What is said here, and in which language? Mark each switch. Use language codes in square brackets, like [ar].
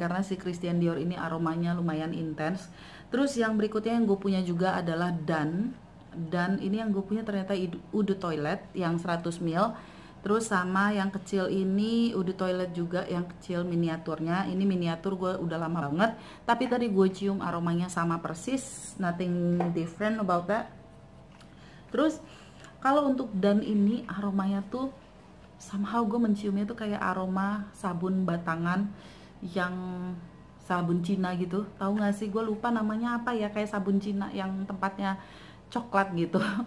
[id] Karena si Christian Dior ini aromanya lumayan intens. Terus yang berikutnya yang gue punya juga adalah Dan. Dan ini yang gue punya ternyata Udu Toilet yang 100 ml. Terus sama yang kecil ini, Udu Toilet juga yang kecil miniaturnya. Ini miniatur gue udah lama banget. Tapi tadi gue cium aromanya sama persis. [en] Nothing different about that. [id] Terus, kalau untuk Dan ini aromanya tuh, somehow gue menciumnya tuh kayak aroma sabun batangan yang sabun Cina gitu. Tahu gak sih, gue lupa namanya apa ya, kayak sabun Cina yang tempatnya coklat gitu.